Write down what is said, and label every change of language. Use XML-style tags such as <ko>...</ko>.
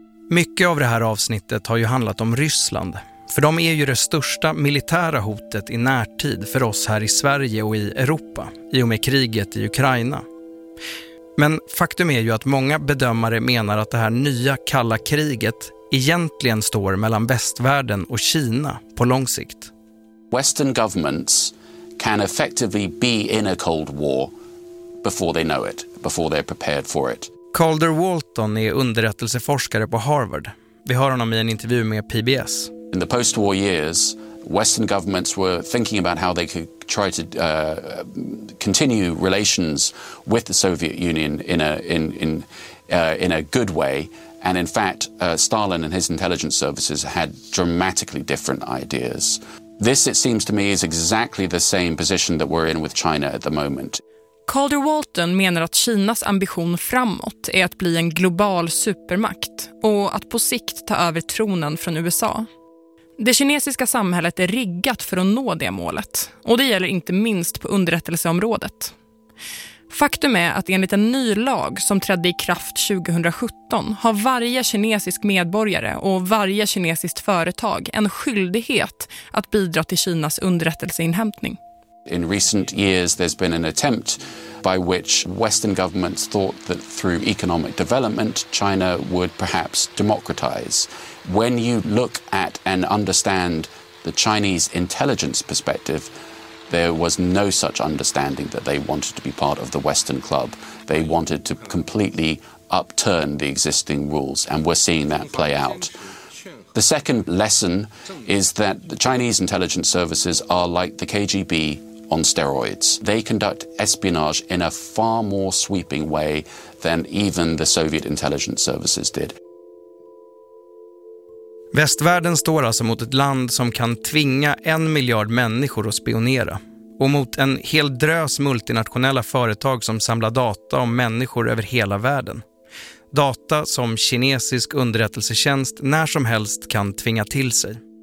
<sv>Mycket av det här avsnittet har ju handlat om Ryssland. För de är ju det största militära hotet i närtid för oss här i Sverige och i Europa, i och med kriget i Ukraina. Men faktum är ju att många bedömare menar att det här nya kalla kriget egentligen står mellan västvärlden och Kina på lång sikt.</sv> <en>Western governments can effectively be in a cold war before they know it, before they're prepared for it.</en> <sv>Calder Walton är underrättelseforskare på Harvard. Vi hör honom i en intervju med PBS.</sv> <en>In the post-war years, Western governments were thinking about how they could try to continue relations with the Soviet Union in a good way. And in fact, Stalin and his intelligence services had dramatically different ideas. This, it seems to me, is exactly the same position that we're in with China at the moment.</en> <sv>Calder Walton menar att Kinas ambition framåt är att bli en global supermakt och att på sikt ta över tronen från USA. Det kinesiska samhället är riggat för att nå det målet, och det gäller inte minst på underrättelseområdet. Faktum är att enligt en ny lag som trädde i kraft 2017 har varje kinesisk medborgare och varje kinesiskt företag en skyldighet att bidra till Kinas underrättelseinhämtning.</sv> <en>In recent years there's been an attempt by which Western governments thought that through economic development China would perhaps democratize. When you look at and understand the Chinese intelligence perspective, there was no such understanding that they wanted to be part of the Western club. They wanted to completely upturn the existing rules, and we're seeing that play out. The second lesson is that the Chinese intelligence services are like the KGB on steroids. They conduct espionage in a far more sweeping way than even the Soviet intelligence services did.</en> <sv>Västvärlden står alltså mot ett land som kan tvinga 1 miljard människor att spionera. Och mot en hel drös multinationella företag som samlar data om människor över hela världen. Data som kinesisk underrättelsetjänst när som helst kan tvinga till sig.</sv>